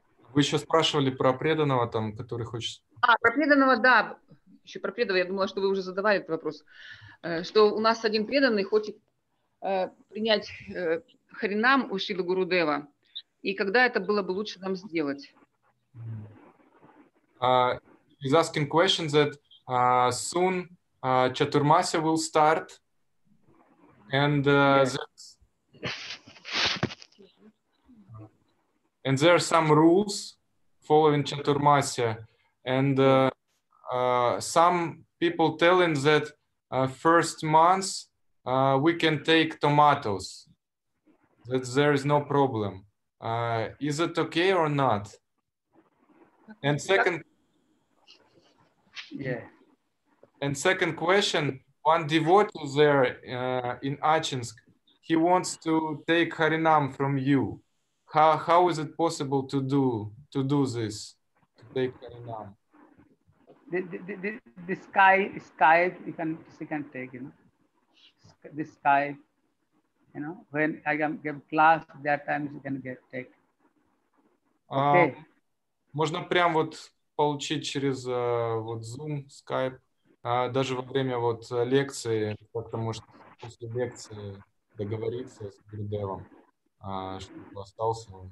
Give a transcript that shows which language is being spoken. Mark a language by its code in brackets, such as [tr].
[ru] Вы еще спрашивали про преданного, там, который хочет... А, про преданного, да. Еще про преданного. Я думала, что вы уже задавали этот вопрос. Что у нас один преданный хочет принять харинам у Шрилы Гурудева. И когда это было бы лучше нам сделать? [en] He's asking questions that soon Chaturmasya will start. And and there are some rules following Chaturmasya. And some people telling that first month we can take tomatoes, that there is no problem. Is it okay or not? And second, yeah. And second question, one devotee there in Achinsk, he wants to take Harinam from you. How is it possible to do this, to take Harinam? The sky you can take, you know, the sky, you know, when I can give class, that time you can get take. Okay. [ru] Можно прям вот получить через вот Zoom, Skype, даже во время вот лекции, потому что после лекции договориться с Гурудевом, чтобы остался.